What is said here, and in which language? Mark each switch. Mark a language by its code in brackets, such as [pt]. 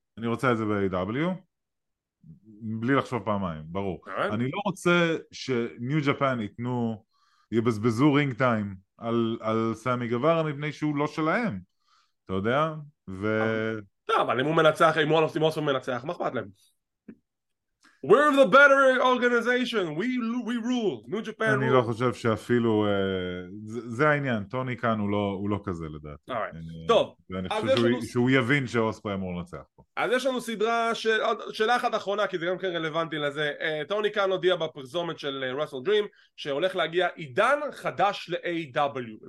[he] אני רוצה את זה ב-AW. בלי לחשוב פעמיים, ברור. אני לא רוצה שניו ג'פן ייתנו, יבזבזו רינג טיים על, על סמי גברה מפני שהוא לא שלהם, אתה יודע? ו... טוב, אבל אם הוא מנצח, אם הוא אלוף טימוס הוא מנצח, מה אכפת להם? [en] We're the better organization, we rule, New Japan rule. [he] אני לא חושב שאפילו, זה העניין, טוני כאן הוא לא כזה לדעתי. טוב. ואני חושב שהוא יבין שאוספרי אמור לנצח פה. אז יש לנו סדרה, שאלה אחת אחרונה, כי זה גם כן רלוונטי לזה, טוני כאן הודיע בפרסומת של רסל דרים, שהולך להגיע עידן חדש ל-AW.